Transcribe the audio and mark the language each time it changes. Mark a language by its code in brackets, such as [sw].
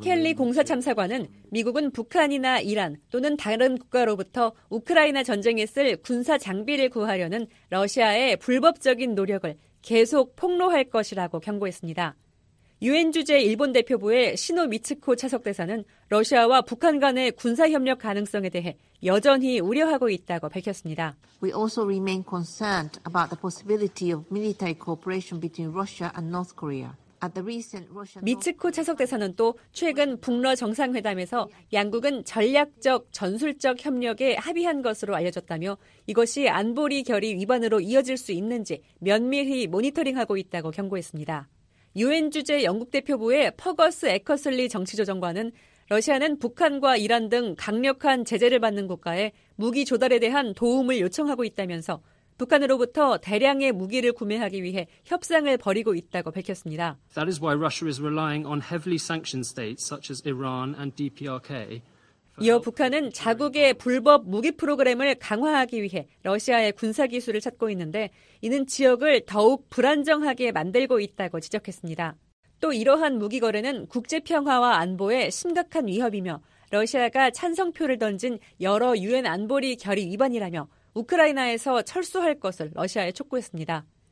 [ko] 켈리 공사 참사관은 미국은 북한이나 이란 또는 다른 국가로부터 우크라이나 전쟁에 쓸 군사 장비를 구하려는 러시아의 불법적인 노력을 계속 폭로할 것이라고 경고했습니다. 유엔 주재 일본 대표부의 시노 미츠코 차석대사는 러시아와 북한 간의 군사협력 가능성에 대해 여전히 우려하고 있다고 밝혔습니다. [en] We also remain concerned about the possibility of military cooperation between Russia and North Korea. [ko] 미츠코 차석대사는 또 최근 북러 정상회담에서 양국은 전략적, 전술적 협력에 합의한 것으로 알려졌다며 이것이 안보리 결의 위반으로 이어질 수 있는지 면밀히 모니터링하고 있다고 경고했습니다. 유엔 주재 영국 대표부의 퍼거스 에커슬리 정치조정관은 러시아는 북한과 이란 등 강력한 제재를 받는 국가에 무기 조달에 대한 도움을 요청하고 있다면서 북한으로부터 대량의 무기를 구매하기 위해 협상을 벌이고 있다고 밝혔습니다. [en] That is why Russia is relying on heavily sanctioned states such as Iran and DPRK. [ko] 이어 북한은 자국의 불법 무기 프로그램을 강화하기 위해 러시아의 군사 기술을 찾고 있는데 이는 지역을 더욱 불안정하게 만들고 있다고 지적했습니다. 또 이러한 무기 거래는 국제 평화와 안보에 심각한 위협이며 러시아가 찬성표를 던진 여러 유엔 안보리 결의 위반이라며 우크라이나에서 철수할 것을 러시아에 촉구했습니다.